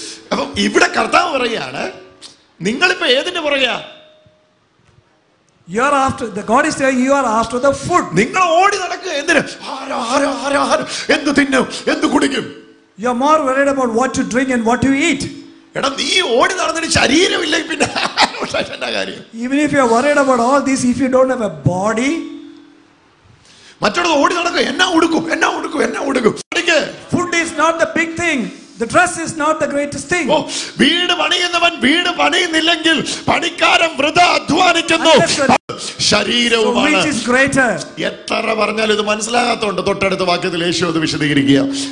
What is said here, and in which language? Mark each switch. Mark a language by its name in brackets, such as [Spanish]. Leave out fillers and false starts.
[Malayalam] അപ്പം ഇവിടെ കർത്താവ് പറയാണ്, നിങ്ങളിപ്പോ ഏതിന്റെ പറയാ? [English] You are after the God is saying, you are after the food. [Malayalam] നിങ്ങൾ ഓടി നടക്കുക എന്തിന്? ആരാരാരാരാ എന്ത് തിന്നും എന്ത് കുടിക്കും? [English] You are more worried about what to drink and what to eat. [Malayalam] എടാ നീ ഓടി നടന്നിട്ട് ശരീരമില്ല, പിന്നെ [English] even if you are worried about all this, if you don't have a body, [Malayalam] മറ്റുള്ളത് ഓടി നടക്കുക, എന്നാ ഉടുക്കും എന്നാ ഉടുക്കും എന്നാ ഉടുക്കും. [English] Food is not the big thing. The dress is not the greatest thing. [Malayalam] വീട് പണിയുന്നവൻ വീട് പണിയുന്നില്ലെങ്കിൽ പണിക്കാരൻ വൃഥാ അധ്വാനിക്കുന്നു. ശരീരവുമാണ്. [English] Which is greater? [Malayalam] എത്ര പറഞ്ഞാലും ഇത് മനസ്സിലാകാത്തതുകൊണ്ട് തൊട്ടടുത്ത വാക്യത്തിൽ യേശു അത് വിശദീകരിക്കുക.